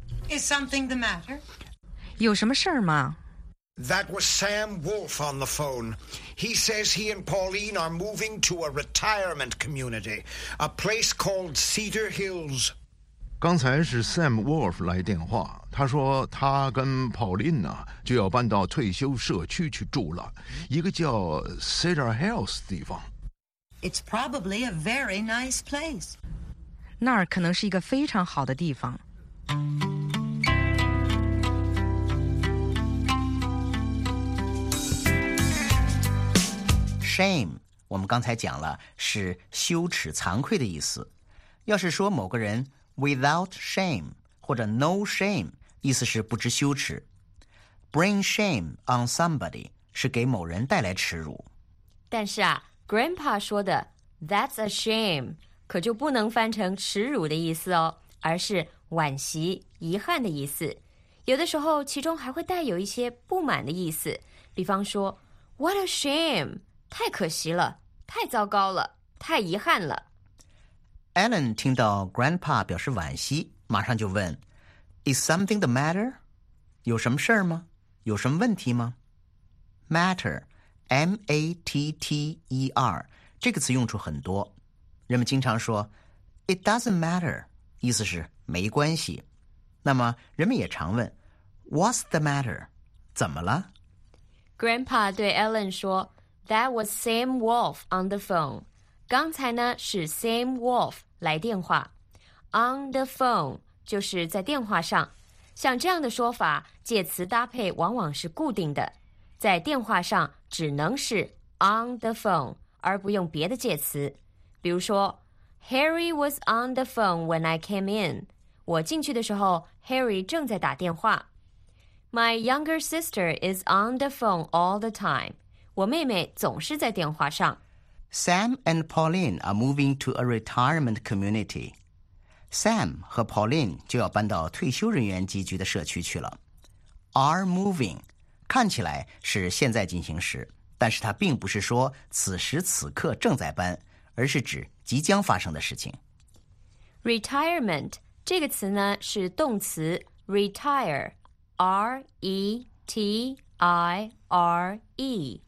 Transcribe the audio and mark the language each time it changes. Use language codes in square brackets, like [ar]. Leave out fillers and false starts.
[en] Is something the matter? [zh] 有什么事儿吗？ [en] That was Sam Wolf on the phone. He says he and Pauline are moving to a retirement community, a place called Cedar Hills. [zh] 刚才是 Sam Wolf 来电话，他说他跟 Pauline 呢就要搬到退休社区去住了，一个叫 Cedar Hills 地方。 [en] It's probably a very nice place. [zh] 那儿可能是一个非常好的地方。 Shame, 我们刚才讲了是羞耻惭愧的意思。要是说某个人 without shame 或者 no shame, 意思是不知羞耻。 Bring shame on somebody 是给某人带来耻辱。但是啊 ,Grandpa 说的 [en] that's a shame, [zh] 可就不能翻成耻辱的意思哦，而是惋惜遗憾的意思。有的时候其中还会带有一些不满的意思，比方说 [en] what a shame! [zh] 太可惜了，太糟糕了，太遗憾了。 Ellen 听到 Grandpa 表示惋惜，马上就问 [en] Is something the matter? [zh] 有什么事儿吗？有什么问题吗？ Matter, M-A-T-T-E-R, 这个词用处很多。人们经常说 [en] It doesn't matter, [zh] 意思是没关系。那么人们也常问 [en] What's the matter? [zh] 怎么了？ [en] Grandpa [zh] 对 [en] Ellen [zh] 说 [en] That was Sam Wolf on the phone. [zh] 刚才呢是 Sam Wolf 来电话。 [en] On the phone [zh] 就是在电话上。像这样的说法，介词搭配往往是固定的。在电话上只能是 on the phone, 而不用别的介词。比如说 [en] ,Harry was on the phone when I came in. [zh] 我进去的时候 ,Harry 正在打电话。 [en] My younger sister is on the phone all the time. [zh] 我妹妹总是在电话上。 [en] Sam and Pauline are moving to a retirement community. [zh] Sam 和 Pauline 就要搬到退休人员集聚的社区去了。 Are moving 看起来是现在进行时，但是它并不是说此时此刻正在搬，而是指即将发生的事情。 Retirement 这个词呢是动词 retire, R-E-T-I-R-E。